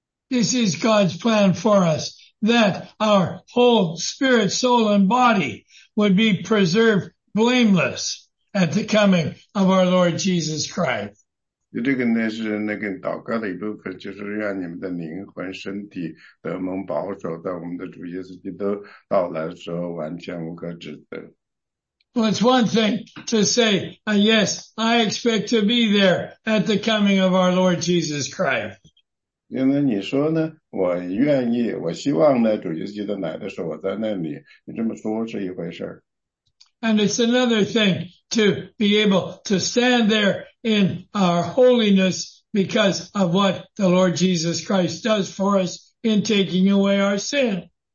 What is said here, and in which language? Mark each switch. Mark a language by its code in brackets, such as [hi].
[en] This is God's plan for us, that our whole spirit, soul, and body would be preserved blameless at the coming of our Lord Jesus Christ. [zh] 这个呢是那个祷告的一部分，就是让你们的灵魂、身体得蒙保守，在我们的主耶稣基督到来的时候完全无可指责。 [en] Well, it's one thing to say, yes, I expect to be there at the coming of our Lord Jesus Christ. [zh] 因为你说呢,我愿意,我希望呢,主耶稣基督来的时候我在那里,你这么说是一回事。 [en] And it's another thing to be able to stand there in our holiness because of what the Lord Jesus Christ does for us in taking away our sin.